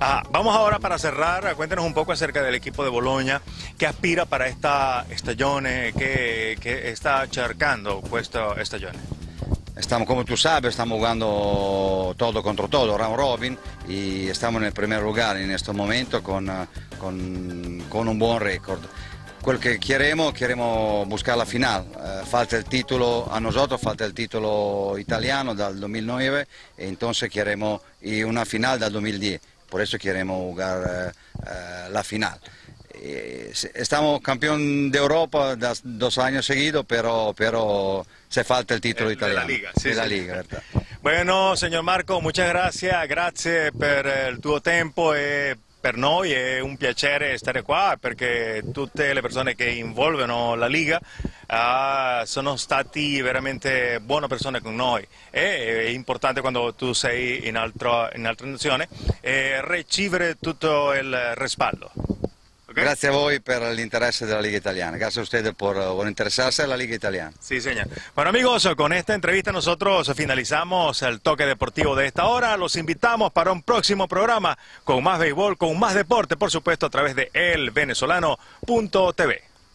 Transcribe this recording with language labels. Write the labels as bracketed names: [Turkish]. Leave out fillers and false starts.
[Spanish] Vamos ahora para cerrar, cuéntenos un poco acerca del equipo de Bologna, que aspira para esta estagione, que está cercando esta estagione. Estamos, como tú sabes, estamos jugando todo contra todo, round robin, y estamos en el primer lugar en este momento con un buen récord. [Italian] Quel che [Spanish] queremos buscar la final. Falta [Italian] il titolo a noi, [Spanish] falta [Italian] il titolo italiano dal [Spanish] 2009, e entonces queremos una final dal 2010, por eso queremos jugar la final. Estamos campeón de Europa dos años seguidos, pero se falta el título italiano. De la Liga, sí. De la Liga, verdad. Bueno, señor Marco, muchas gracias. Gracias por el tuo tiempo. [Italian] Per noi è un piacere stare qua, perché tutte le persone che involvono la Liga sono stati veramente buone persone con noi. È importante, quando tu sei in altra nazione, ricevere tutto il respaldo. [English] Okay? [Italian] Grazie a voi per l'interesse della Liga Italiana. Grazie [Spanish] a ustedes por [Italian] interessarsi alla Liga Italiana. Sì, [Spanish] señor. Bueno, amigos, con esta entrevista nosotros finalizamos el toque deportivo de esta hora. Los invitamos para un próximo programa con más béisbol, con más deporte, por supuesto, a través de elvenezolano.tv.